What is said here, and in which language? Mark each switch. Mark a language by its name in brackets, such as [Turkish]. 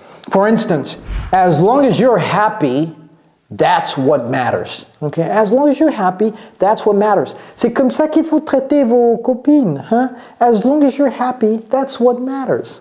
[English] For instance, as long as you're happy, that's what matters. Okay, as long as you're happy, that's what matters. [French] C'est comme ça qu'il faut traiter vos copines, hein? [English] As long as you're happy, that's what matters.